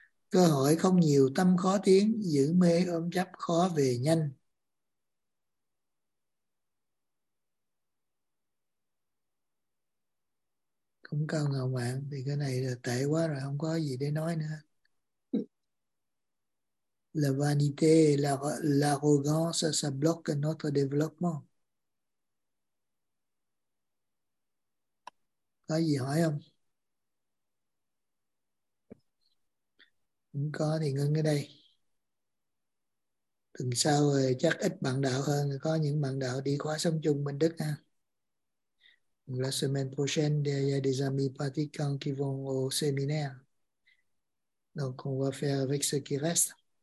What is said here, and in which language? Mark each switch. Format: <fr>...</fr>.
<vi>Cơ hội không nhiều, tâm khó tiến, giữ mê ôm chấp khó về nhanh. Cống cao ngạo mạn thì cái này là tệ quá rồi, không có gì để nói nữa.</vi> <fr>La vanité et l'arrogance, ça bloque notre développement.</fr> <vi>Có gì hỏi không? Không có thì ngưng ở đây. Tuần sau rồi chắc ít bạn đạo hơn, có những bạn đạo đi khóa sống chung Minh Đức ha.</vi> <fr>La semaine prochaine, il y a des amis pratiquants qui vont au séminaire. Donc, on va faire avec ce qui reste.</fr>